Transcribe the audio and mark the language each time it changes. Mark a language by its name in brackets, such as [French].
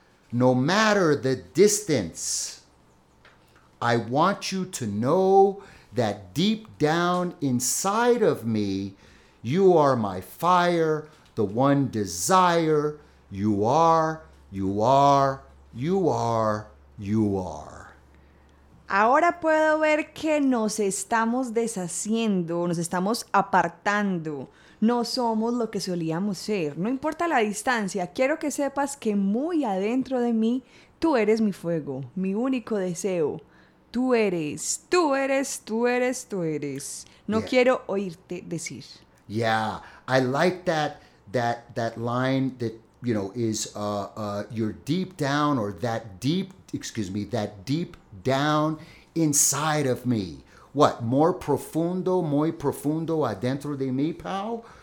[English] No matter the distance, I want you to know that deep down inside of me, you are my fire, the one desire. You are, you are, you are, you are. [Spanish] Ahora puedo ver que nos estamos deshaciendo, nos estamos apartando. No somos lo que solíamos ser. No importa la distancia, quiero que sepas que muy adentro de mí, tú eres mi fuego, mi único deseo. Tú eres, tú eres, tú eres, tú eres. No yeah. quiero oírte decir. [English] Yeah, I like that line that, you know, is you're deep down or that deep, excuse me, that deep down inside of me. What? [Spanish] More profundo, muy profundo adentro de mí, pal?